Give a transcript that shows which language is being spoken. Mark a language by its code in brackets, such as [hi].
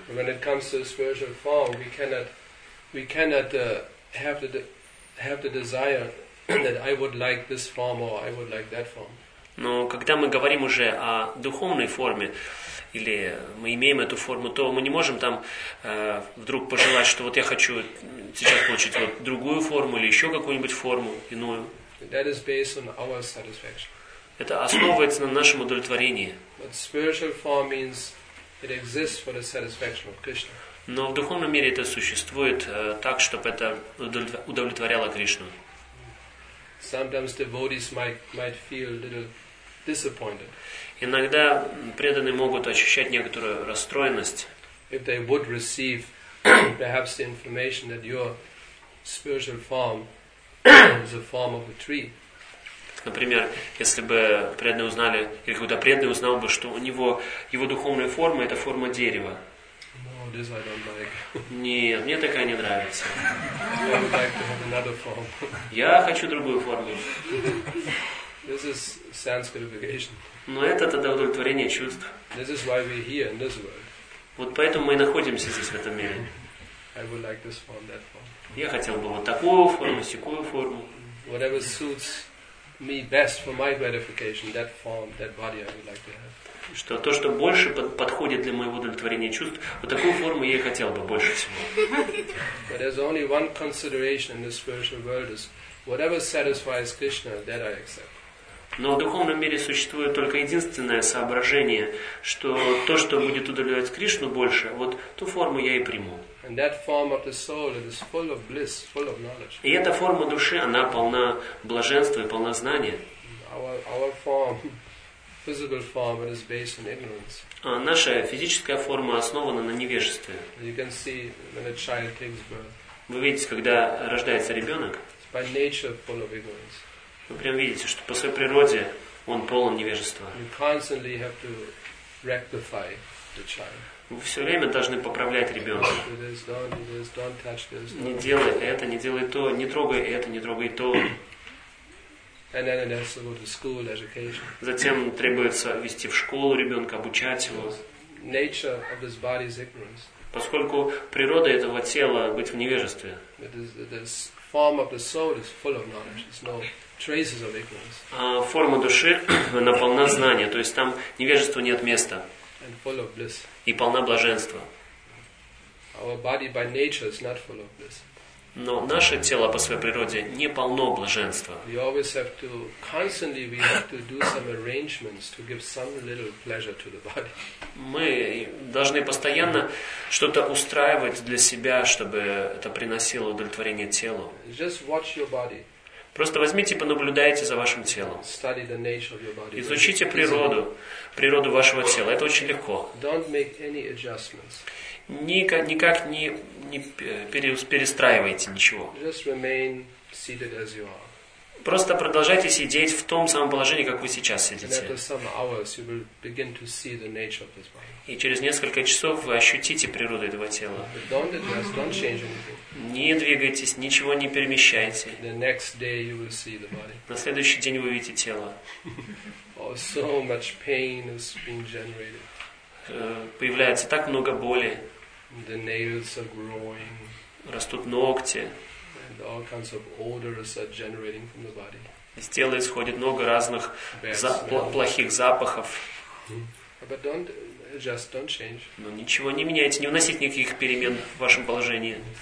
[en] When it comes to the spiritual form, we cannot have the desire that I would like this form or I would like that form. [ru] Но когда мы говорим уже о духовной форме, или мы имеем эту форму, то мы не можем там вдруг пожелать, что вот я хочу сейчас получить вот другую форму или еще какую-нибудь форму иную. [en] That is based on our satisfaction. [ru] Это основывается на нашем удовлетворении. [en] But spiritual form means it exists for the satisfaction of Krishna. [ru] Но в духовном мире это существует так, чтобы это удовлетворяло Кришну. [en] Sometimes devotees might feel a little disappointed. [ru] Иногда преданные могут ощущать некоторую расстроенность. Например, если бы преданные узнали, или когда преданный узнал бы, что у него его духовная форма – это форма дерева. [en] No, this I don't like. [ru] Нет, мне такая не нравится. [en] I would like to have another form. [ru] Я хочу другую форму. [en] This is sense gratification. [ru] Но это тогда удовлетворение чувств. [en] This is why we're here in this world. [ru] Вот поэтому мы и находимся здесь, в этом мире. [en] I would like this form, that form. [ru] Я хотел бы вот такую форму, сякую форму. [en] Whatever suits me best for my gratification, that form, that body I would like to have. [ru] Что то, что больше подходит для моего удовлетворения чувств, вот такую форму я и хотел бы больше всего. [en] But there's only one consideration in this spiritual world is whatever satisfies Krishna, that I accept. [ru] Но в духовном мире существует только единственное соображение, что то, что будет удовлетворять Кришну больше, вот ту форму я и приму. [en] And that form of the soul, it is full of bliss, full of knowledge. [ru] И эта форма души, она полна блаженства и полна знания. [en] Our form physical form and is based on ignorance. [ru] Наша физическая форма основана на невежестве. [en] You can see when a child takes birth. [ru] Вы видите, когда рождается ребенок? [en] By nature, full of ignorance. [ru] Вы прям видите, что по своей природе он полон невежества. [en] You constantly have to rectify the child. [ru] Вы все время должны поправлять ребенка. Не делай это, не делай то, не трогай это, не трогай то. [en] And then it has to go to school, education. [ru] Затем требуется вести в школу ребенка, обучать его. [en] Nature of this body is ignorance. [ru] Поскольку природа этого тела быть в невежестве. [en] This form of the soul is full of knowledge. There's no traces of ignorance. [ru] А форма души наполна знания, то есть там невежеству нет места. [en] And full of bliss. [ru] И полна блаженства. [en] Our body by nature is not full of bliss. [ru] Но наше тело по своей природе не полно блаженства. [en] We always have to constantly we have to do some arrangements to give some little pleasure to the body. [ru] Мы должны постоянно что-то устраивать для себя, чтобы это приносило удовлетворение телу. [en] Just watch your body. [ru] Просто возьмите и понаблюдайте за вашим телом. [en] Study the nature of your body. [ru] Изучите природу, природу вашего тела. Это очень легко. [en] Don't make any adjustments. [ru] Никак не перестраивайте ничего. [en] Just remain seated as you are. [ru] Просто продолжайте сидеть в том самом положении, как вы сейчас сидите. [en] And after some hours you will begin to see the nature of this body. [ru] И через несколько часов вы ощутите природу этого тела. [en] But don't adjust, don't change anything. [ru] Не двигайтесь, ничего не перемещайте. [en] The next day you will see the body. [ru] На следующий день вы увидите тело. [en] Oh, so much pain is being generated. [ru] Появляется так много боли. [en] The nails are growing. [ru] Растут ногти. [en] And all kinds of odors are generating from the body. [ru] Из тела исходит много разных плохих запахов. [en] But don't adjust, don't change. [ru] Но ничего не меняйте, не вносите никаких перемен в вашем положении.